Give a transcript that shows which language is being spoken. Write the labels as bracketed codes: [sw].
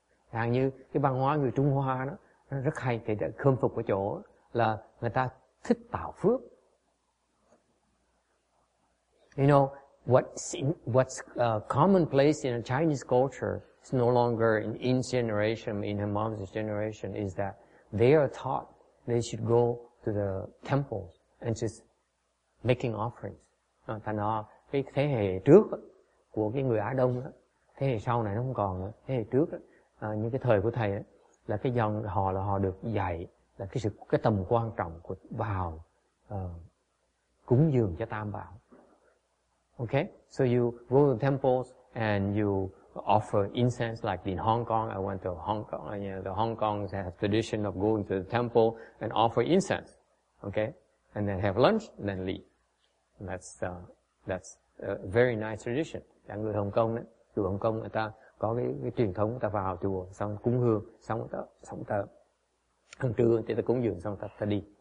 [vi] Hàng như cái văn hóa người Trung Hoa đó, nó rất hay, cái khâm phục ở chỗ là người ta thích tạo phước. [en] You know, what's commonplace in a Chinese culture is no longer in Yin's generation, in her mom's generation, is that they are taught they should go to the temples and just making offerings. [vi] Thành ra cái thế hệ trước của cái người Á Đông đó, thế hệ sau này nó không còn nữa. Thế hệ trước đó, như cái thời của thầy đó, là cái dòng họ là họ được dạy là cái sự cái tầm quan trọng của vào cúng dường cho Tam Bảo. [en] Okay, so you go to temples and you offer incense. Like in Hong Kong, I went to Hong Kong. You know, the Hong Kong have tradition of going to the temple and offer incense. Okay, and then have lunch, and then leave. And that's a very nice tradition. [vi] Yeah, người Hồng Kông đấy, từ Hồng Kông người ta có cái truyền thống, người ta vào chùa xong cúng hương, xong ta ăn trưa thì ta cúng dường xong ta đi.